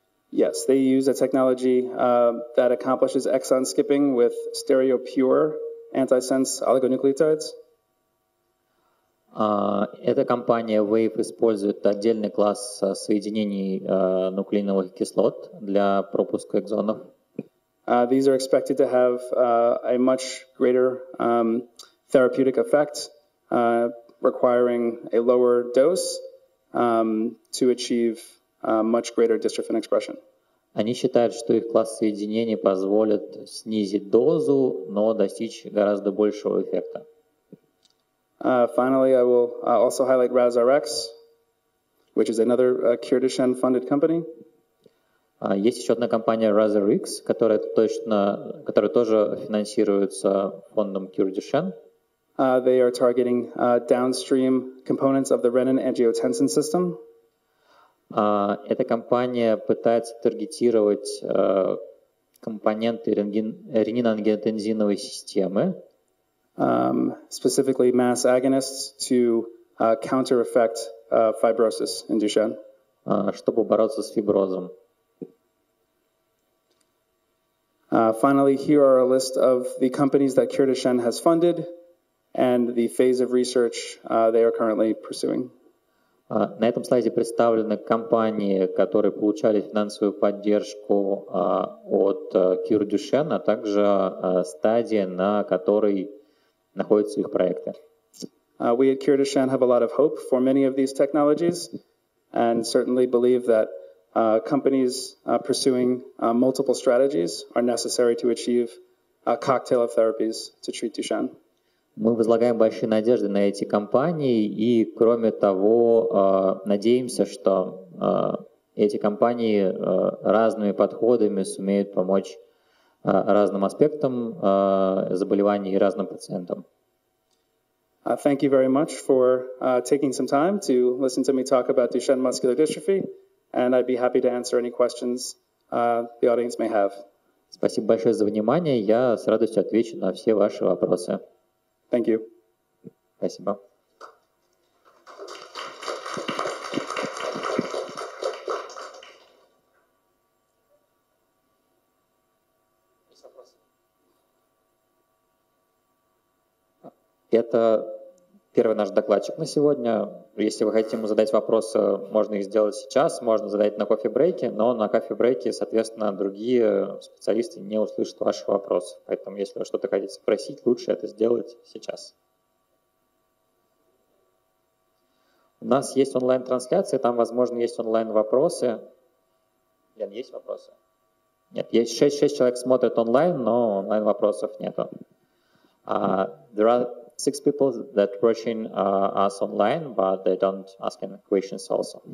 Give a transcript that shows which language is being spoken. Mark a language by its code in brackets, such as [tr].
[en] Yes, they use a technology that accomplishes exon skipping with stereopure antisense oligonucleotides. [ru] Эта компания Wave использует отдельный класс соединений нуклеиновых кислот для пропуска экзонов. [en] These are expected to have a much greater therapeutic effect, requiring a lower dose to achieve much greater dystrophin expression. [ru] Они считают, что их класс соединений позволит снизить дозу, но достичь гораздо большего эффекта. [en] Finally, I will also highlight RazRx, which is another Cure Duchenne funded company. [ru] Есть еще одна компания RazRx, которая тоже финансируется фондом Cure Duchenne. [en] They are targeting downstream components of the renin-angiotensin system. [ru] Эта компания пытается таргетировать компоненты ренин-ангиотензиновой системы. [en] Specifically mass agonists to counter-effect fibrosis in Duchenne. [ru] Чтобы бороться с фиброзом. [en] Finally, here are a list of the companies that Cure Duchenne has funded and the phase of research they are currently pursuing. [ru] На этом слайде представлены компании, которые получали финансовую поддержку от Cure Duchenne, а также стадия, на которой находятся их проекты. [en] We at Cure Duchenne have a lot of hope for many of these technologies and certainly believe that companies pursuing multiple strategies are necessary to achieve a cocktail of therapies to treat Duchenne. [ru] Мы возлагаем большие надежды на эти компании и, кроме того, надеемся, что эти компании разными подходами сумеют помочь разным аспектам заболеваний и разным пациентам. [en] Thank you very much for taking some time to listen to me talk about Duchenne muscular dystrophy, and I'd be happy to answer any questions the audience may have. [ru] Спасибо большое за внимание. Я с радостью отвечу на все ваши вопросы. [en] Thank you. [ru] Спасибо. Это первый наш докладчик на сегодня. Если вы хотите ему задать вопросы, можно их сделать сейчас, можно задать на кофе-брейке, но на кофе-брейке, соответственно, другие специалисты не услышат ваших вопросов. Поэтому, если вы что-то хотите спросить, лучше это сделать сейчас. У нас есть онлайн-трансляция, там, возможно, есть онлайн-вопросы. Лен, есть вопросы? Нет, есть 6 человек смотрят онлайн, но онлайн-вопросов нету. [en] There are 6 people that are watching us online, but they don't ask any questions also.